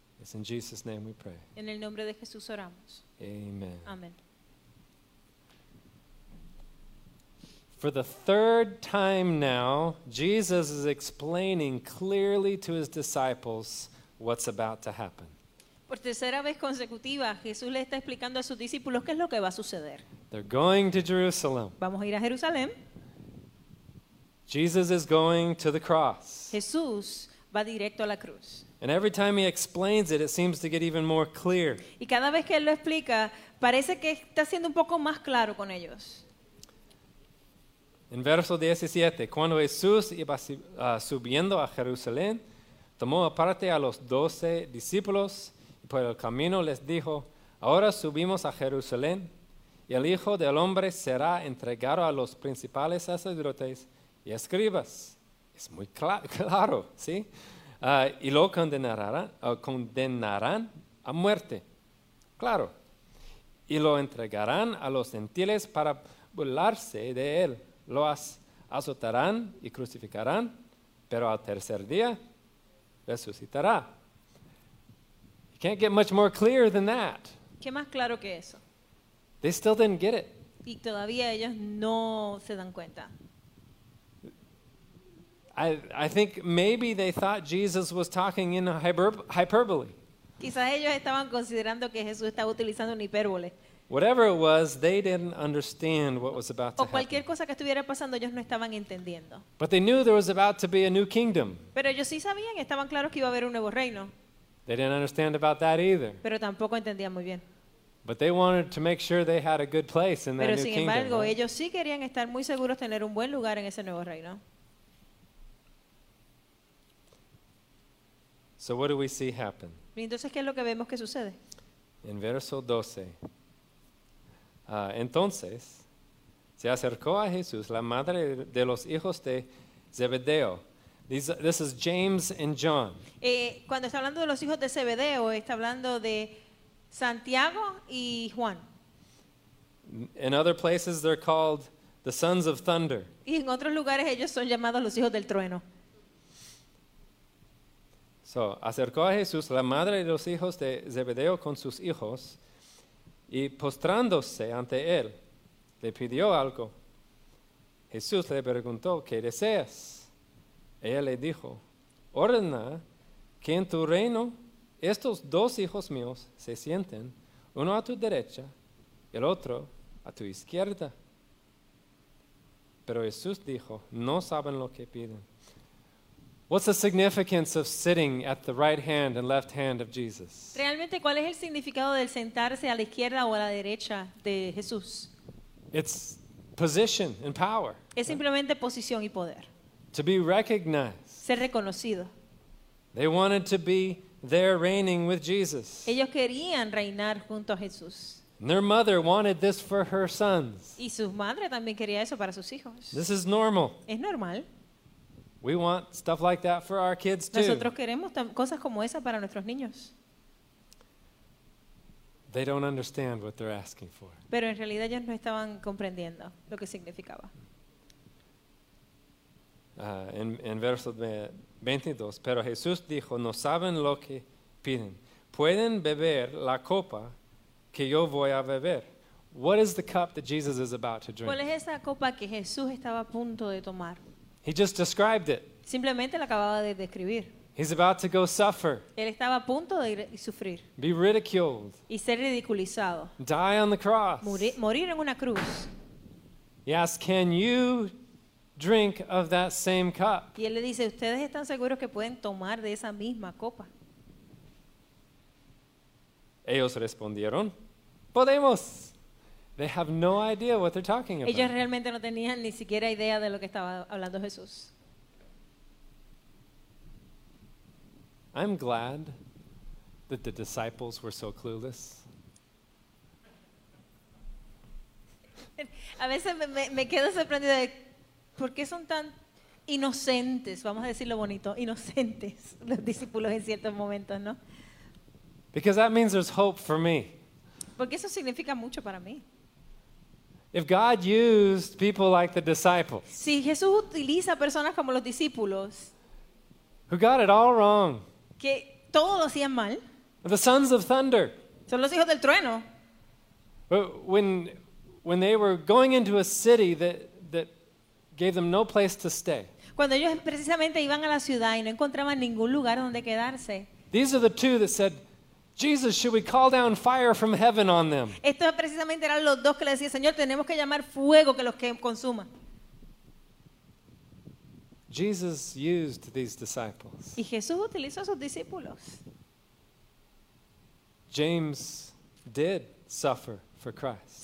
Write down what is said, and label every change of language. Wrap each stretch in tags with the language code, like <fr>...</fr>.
<en>It's in Jesus' name we pray.</en> <es>En el nombre de Jesús oramos.</es> <en>Amen.</en> <es>Amen.</es> <en>For the third time now, Jesus is explaining clearly to his disciples what's about to happen.</en> <es>Por tercera vez consecutiva, Jesús le está explicando a sus discípulos qué es lo que va a suceder.</es> <en>They're going to Jerusalem.</en> <es>Vamos a ir a Jerusalén.</es> <en>Jesus is going to the cross.</en> <es>Jesús va directo a la cruz.</es> <en>And every time he explains it, it seems to get even more clear.</en> <es>Y cada vez que él lo explica, parece que está siendo un poco más claro con ellos. En verso 17, cuando Jesús iba subiendo a Jerusalén, tomó aparte a los 12 discípulos y por el camino les dijo, ahora subimos a Jerusalén y el Hijo del Hombre será entregado a los principales sacerdotes y escribas. Es muy claro, ¿sí? y lo condenarán a muerte, claro, y lo entregarán a los gentiles para burlarse de él, lo azotarán y crucificarán, pero al tercer día resucitará.</es> <en>You can't get much more clear than that.</en> <es>¿Qué más claro que eso?</es> <en>They still didn't get it.</en> <es>Y todavía ellos no se dan cuenta.</es> <en>I think maybe they thought Jesus was talking in hyperbole.</en> <es>Quizás ellos estaban considerando que Jesús estaba utilizando una hipérbole.</es> <en>Whatever it was, they didn't understand what was about to happen.</en> <es>O cualquier cosa que estuviera pasando, ellos no estaban entendiendo.</es> <en>But they knew there was about to be a new kingdom.</en> <es>Pero ellos sí sabían, estaban claros que iba a haber un nuevo reino.</es> <en>They didn't understand about that either.</en> <es>Pero tampoco entendían muy bien.</es> <en>But they wanted to make sure they had a good place in that new kingdom.</en> <es>Pero sin embargo, ellos sí querían estar muy seguros tener un buen lugar en ese nuevo reino.</es> <en>So what do we see happen?</en> <es>Entonces, ¿qué es lo que vemos que sucede? En verso 12. Entonces, se acercó a Jesús, la madre de los hijos de Zebedeo.</es> <en>This is James and John.</en> <es>Cuando está hablando de los hijos de Zebedeo, está hablando de Santiago y Juan.</es> <en>In other places, they're called the sons of thunder.</en> <es>Y en otros lugares, ellos son llamados los hijos del trueno. So, acercó a Jesús, la madre de los hijos de Zebedeo con sus hijos, y postrándose ante él, le pidió algo. Jesús le preguntó, ¿qué deseas? Ella le dijo, ordena que en tu reino estos dos hijos míos se sienten, uno a tu derecha y el otro a tu izquierda. Pero Jesús dijo, no saben lo que piden.</es> <en>What's the significance of sitting at the right hand and left hand of Jesus?</en> <es>Realmente, ¿cuál es el significado del sentarse a la izquierda o a la derecha de Jesús?</es> <en>It's position and power.</en> <es>Es simplemente posición y poder.</es> <en>To be recognized.</en> <es>Ser reconocido.</es> <en>They wanted to be there reigning with Jesus.</en> <es>Ellos querían reinar junto a Jesús.</es> <en>And their mother wanted this for her sons.</en> <es>Y su madre también quería eso para sus hijos.</es> <en>This is normal.</en> <es>Es normal.</es> <en>We want stuff like that for our kids too.</en> <es>Nosotros queremos cosas como esa para nuestros niños.</es> <en>They don't understand what they're asking for.</en> <es>Pero en realidad ellos no estaban comprendiendo lo que significaba. En verso 22, pero Jesús dijo, no saben lo que piden. Pueden beber la copa que yo voy a beber.</es> <en>What is the cup that Jesus is about to drink?</en> <es>¿Cuál es esa copa que Jesús estaba a punto de tomar?</es> <en>He just described it.</en> <es>Simplemente lo acababa de describir.</es> <en>He's about to go suffer.</en> <es>Él estaba a punto de ir y sufrir.</es> <en>Be ridiculed.</en> <es>Y ser ridiculizado.</es> <en>Die on the cross.</en> <es>Morir en una cruz.</es> <en>He asks, "Can you drink of that same cup?"</en> <es>Y él le dice, "¿Ustedes están seguros que pueden tomar de esa misma copa?" Ellos respondieron, "Podemos."</es> <en>They have no idea what they're talking about.</en> <es>Ellos realmente no tenían ni siquiera idea de lo que estaba hablando Jesús.</es> <en>I'm glad that the disciples were so clueless.</en> <es>A veces me quedo sorprendido de por qué son tan inocentes, vamos a decirlo bonito, inocentes los discípulos en ciertos momentos, ¿no?</es> <en>Because that means there's hope for me.</en> <es>Porque eso significa mucho para mí.</es> <en>If God used people like the disciples,</en> <es>si Jesús utiliza personas como los discípulos,</es> <en>who got it all wrong,</en> <es>que todo lo hacían mal,</es> <en>the sons of thunder,</en> <es>son los hijos del trueno,</es> <en>when they were going into a city that gave them no place to stay,</en> <es>cuando ellos precisamente iban a la ciudad y no encontraban ningún lugar donde quedarse,</es> <en>these are the two that said, Jesus, should we call down fire from heaven on them?</en> <es>Estos precisamente eran los dos que le decían, Señor, tenemos que llamar fuego que los que consuma.</es> <en>Jesus used these disciples.</en> <es>Y Jesús utilizó a sus discípulos.</es> <en>James did suffer for Christ.</en>